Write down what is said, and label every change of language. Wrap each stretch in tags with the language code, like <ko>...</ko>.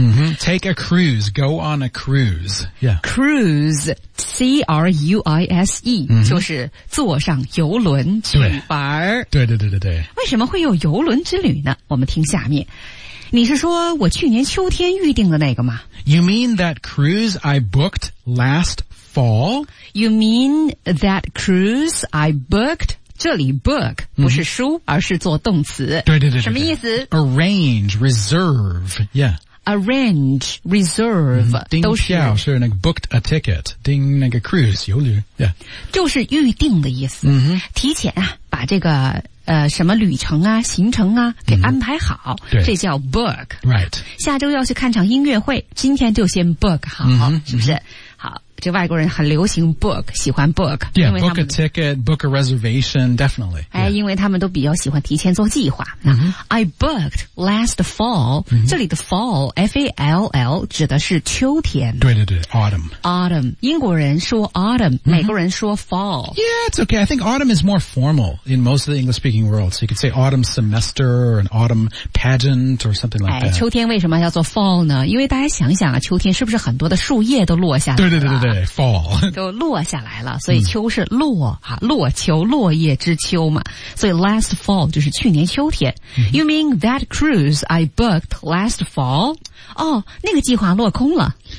<en>嗯哼 ，take a cruise, go on a cruise, yeah. Cruise, cruise,、mm-hmm.</en> <zh>就是坐上游轮去玩。对对对对对。为什么会有游轮之旅呢？我们听下面。你是说我去年秋天预定的那个吗</zh> <en>？You mean that cruise I booked last fall? You mean that cruise I booked?</en> <zh>这里 book 不是书、mm-hmm. 而是做动词。对对 对, 对, 对。什么意思</zh> <en>？Arrange, reserve, yeah. Arrange, reserve,、 mm-hmm.</en> <zh>都是。叮叫是那个 booked a ticket, 叮那个 cruise, 游轮 yeah. 就是预定的意思。嗯、mm-hmm. 提前啊，把这个。什么旅程啊行程啊给安排好、嗯、对这叫 book、</zh> <en>right.</en> <zh>下周要去看场音乐会今天就先 book 好、嗯、是不是、嗯、好这外国人很流行 book 喜欢 book</zh> <en>yeah, 因为他们 book a ticket book a reservation definitely、yeah.</en> <zh>哎、因为他们都比较喜欢提前做计划、嗯、</zh> <en>I booked last fall、</en> <zh>嗯、这里的 fall F-A-L-L 指的是秋天对对对 autumn autumn 英国人说 autumn、嗯、美国人说 fall</zh> <en>yeah it's okay I think autumn is more formal in most of the English speaking world so you could say autumn semester or an autumn pageant or something like that、</en> <zh>哎、秋天为什么叫做 fall 呢因为大家想想啊，秋天是不是很多的树叶都落下来了对对对对对 fall 都落下来了所以秋是落、嗯啊、落秋落叶之秋嘛所以 last fall 就是去年秋天、嗯、</zh> <en>You mean that cruise I booked last fall</en> <zh>哦那个计划落空了</zh>